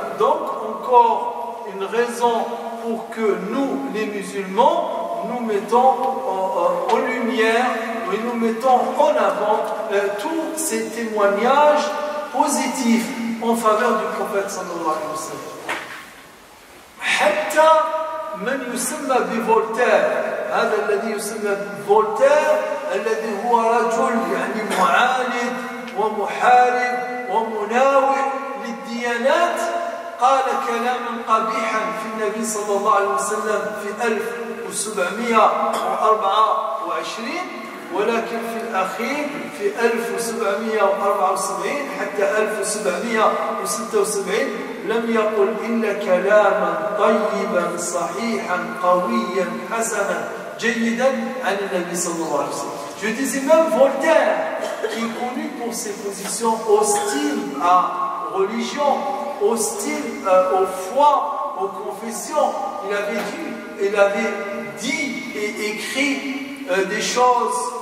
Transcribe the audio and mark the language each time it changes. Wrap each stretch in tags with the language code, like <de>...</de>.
<fr>Donc, encore une raison pour que nous, les musulmans, nous mettons en lumière et nous mettons en avant tous ces témoignages positifs en faveur du prophète sallallahu alayhi wa sallam.</fr> <ar>Hatta من يسمى بفولتير هذا الذي يسمى فولتير الذي هو رجل يعني معاند ومحارب ومناوئ للديانات قال كلاما قبيحا في النبي صلى الله عليه وسلم في 1724 ولكن في الأخير في 1774 حتى 1776 لم يقل إلا كلاما طيبا صحيحا قويا حسنا جيدا عن النبي صلى الله عليه وسلم.</ar> <fr>Je disais même Voltaire, qui est connu pour ses positions hostiles à religion, hostiles aux foi, aux confessions, il avait dit et écrit des choses</fr>